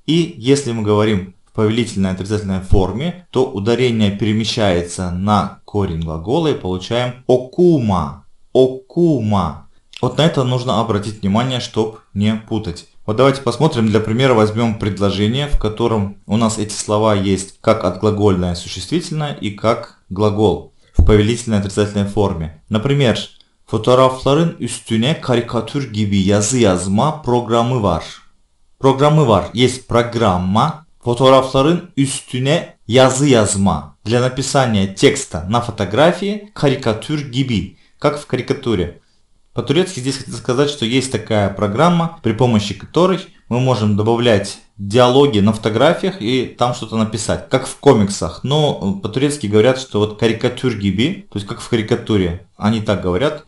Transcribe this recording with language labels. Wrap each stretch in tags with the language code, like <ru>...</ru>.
<ru>И если мы говорим в повелительной отрицательной форме, то ударение перемещается на корень глагола и получаем «окума», «окума». Вот на это нужно обратить внимание, чтобы не путать. Вот давайте посмотрим, для примера возьмем предложение, в котором у нас эти слова есть как отглагольное существительное и как глагол в повелительной отрицательной форме. Например,</ru> <tr>«фотоğrafların üstüne karikatür gibi yazı yazma programı var».</tr> <ru>Программы</ru> <tr>var,</tr> <ru>есть программа.</ru> <tr>«Фотоğrafların üstüne yazı yazma»</tr> <ru>для написания текста на фотографии</ru> <tr>«karikatür gibi»,</tr> <ru>как в карикатуре. По-турецки здесь хотел сказать, что есть такая программа, при помощи которой мы можем добавлять диалоги на фотографиях и там что-то написать, как в комиксах. Но по-турецки говорят, что вот «карикатюр гиби», то есть как в карикатуре, Они так говорят.</ru>